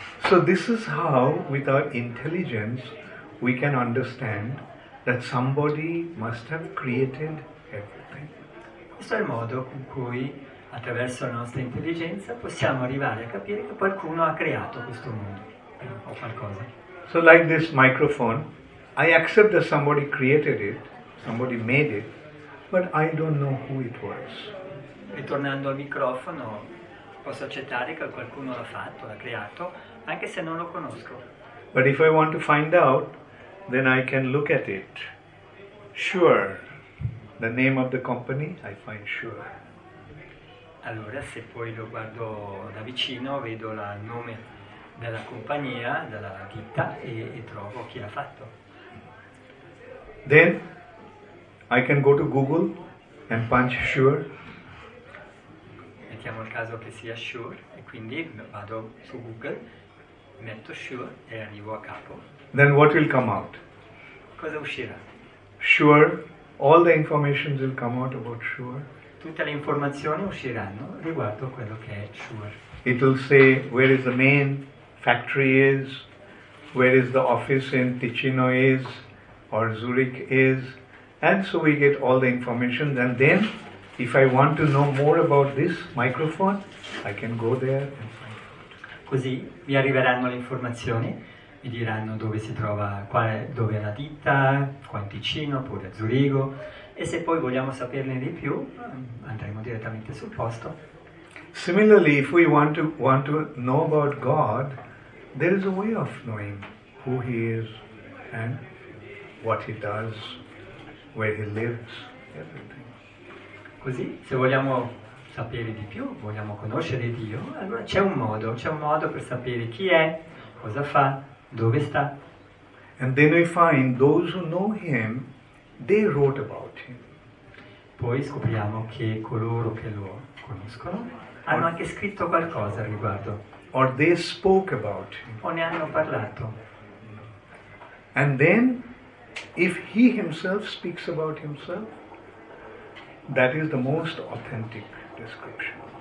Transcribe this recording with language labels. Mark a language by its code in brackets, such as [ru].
[en] So this is how, with our intelligence, we can understand that somebody must have created everything. [it] Questo è il modo con cui, attraverso la nostra intelligenza, possiamo arrivare a capire che qualcuno ha creato questo mondo o qualcosa. [en] So like this microphone, I accept that somebody created it, somebody made it, but I don't know who it was. [it] Ritornando al microfono, posso accettare che qualcuno l'ha fatto, l'ha creato, anche se non lo conosco. [en] But if I want to find out, then I can look at it. Sure, the name of the company, I find sure. [it] Allora, se poi lo guardo da vicino, vedo il nome della compagnia, della ditta, e trovo chi l'ha fatto. [en] Then I can go to Google and punch sure. [it] Mettiamo il caso che sia sure, e quindi vado su Google, metto sure e arrivo a capo. [en] Then what will come out? [it] Cosa uscirà? [en] Sure, all the information will come out about sure. [it] tutte le informazioni usciranno riguardo quello che è Chur. [en] It will say where is the main factory is, where is the office in Ticino is, or Zurich is, and so we get all the information. And then, if I want to know more about this microphone, I can go there and find out. [it] Così vi arriveranno le informazioni, vi diranno dove si trova, quale, dove è la ditta, qua in Ticino, pure a Zurigo, e se poi vogliamo saperne di più, andremo direttamente sul posto. [en] Similarly, if we want to know about God, there is a way of knowing who He is and what He does, where He lives, everything. [it] Così, se vogliamo sapere di più, vogliamo conoscere Dio, allora c'è un modo per sapere chi è, cosa fa, dove sta. [en] And then we find those who know Him, they wrote about Him. [it] Poi scopriamo che coloro che lo conoscono hanno anche scritto qualcosa riguardo. [en] Or they spoke about Him. [it] O ne hanno parlato. [en] And then, if He Himself speaks about Himself, that is the most authentic description.